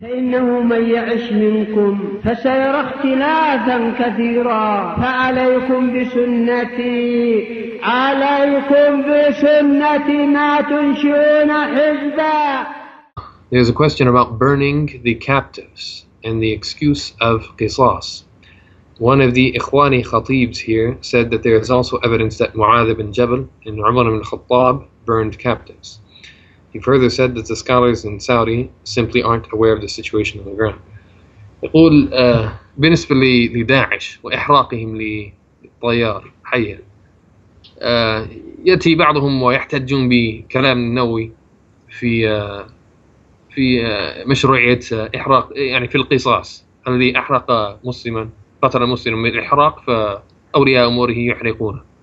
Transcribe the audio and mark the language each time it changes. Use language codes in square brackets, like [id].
[ar] فإنه من يعش منكم فسيرى اختلافا كثيرا فعليكم بسنتي عليكم بسنتي ما تنشئون حزبا. [en] There's a question about burning the captives and the excuse of qisas. One of the Ikhwani Khatibs here said that there is also evidence that Mu'adh ibn Jabal and Umar ibn Khattab burned captives. He further said that the scholars in Saudi simply aren't aware of the situation on the ground. [ar] يقول بالنسبة لداعش وإحراقهم لطيار حية يأتي بعضهم ويحتجون بكلام النووي في مشروعية إحراق يعني في القصاص الذي أحرق مسلما قتل المسلم من الإحراق فأولياء أموره يحرقونه